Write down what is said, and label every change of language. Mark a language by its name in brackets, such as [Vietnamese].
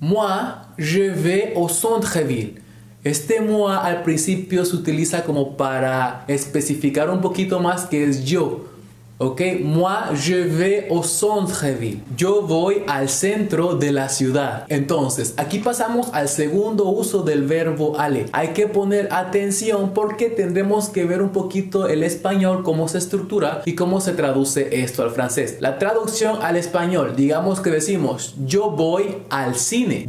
[French] Moi, je vais au centre-ville. [Spanish] Este moi al principio se utiliza como para especificar un poquito más que es yo. [French] Ok, moi je vais au centre-ville. [Spanish] Yo voy al centro de la ciudad. Entonces, aquí pasamos al segundo uso del verbo aller. Hay que poner atención porque tendremos que ver un poquito el español cómo se estructura y cómo se traduce esto al francés. La traducción al español, digamos que decimos yo voy al cine.